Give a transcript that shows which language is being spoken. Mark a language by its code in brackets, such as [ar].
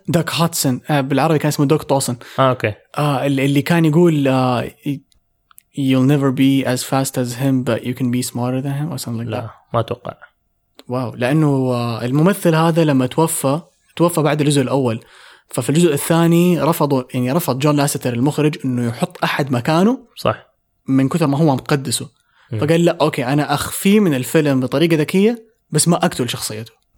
[ar] دوك هاتسن بالعربي كان اسمه دوك توسن. أوكي. اللي كان يقول [en] You'll never be as fast as him, but you can be smarter than him, or something like [ar] لا, [en] that. [ar] لا ما أتوقع. واو wow. لأنه الممثل هذا لما توفى بعد الجزء الأول، ففي الجزء الثاني رفض جون لاستر المخرج إنه يحط أحد مكانه. صح. من كثر ما هو مقدسه. فقال لا أوكي أنا أخفي من الفيلم بطريقة ذكية بس ما أقتل شخصيته.